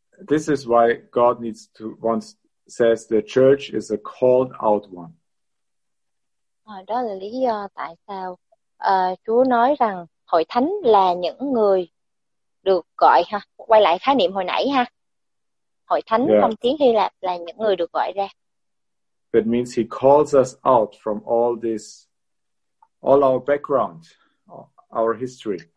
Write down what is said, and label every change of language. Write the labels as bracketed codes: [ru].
[en] This is why God says the church is a called out one. [vi] Đó là lý do tại sao Chúa nói rằng hội thánh là những người được gọi ha, quay lại khái niệm hồi nãy ha. Hội thánh trong tiếng Hy Lạp là những người được gọi ra. [en] It means he calls us out from all this, all our background, our history.